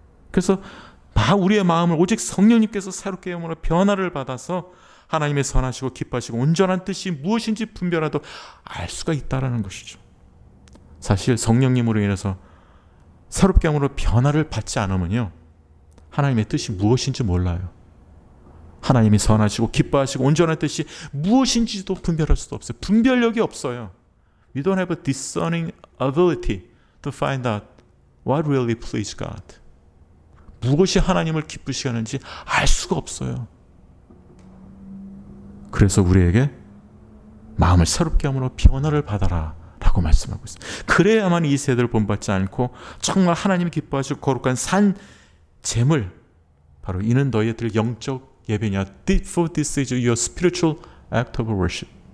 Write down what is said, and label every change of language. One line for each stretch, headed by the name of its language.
Korean: 그래서 우리의 마음을 오직 성령님께서 새롭게 함으로 변화를 받아서 하나님의 선하시고 기뻐하시고 온전한 뜻이 무엇인지 분별하도 알 수가 있다라는 것이죠. 사실 성령님으로 인해서 새롭게 함으로 변화를 받지 않으면요, 하나님의 뜻이 무엇인지 몰라요. 하나님이 선하시고 기뻐하시고 온전한 뜻이 무엇인지도 분별할 수도 없어요. 분별력이 없어요.
English: We don't have a discerning ability to find out what really pleases God.
Korean: 무엇이 하나님을 기쁘시게 하는지 알 수가 없어요. 그래서 우리에게 마음을 새롭게 함으로 변화를 받아라 라고 말씀하고 있어요. 그래야만 이 세대를 본받지 않고 정말 하나님이 기뻐하시고 거룩한 산 제물, 바로 이는 너희들 영적 예배냐,
English: for this is your spiritual act of worship.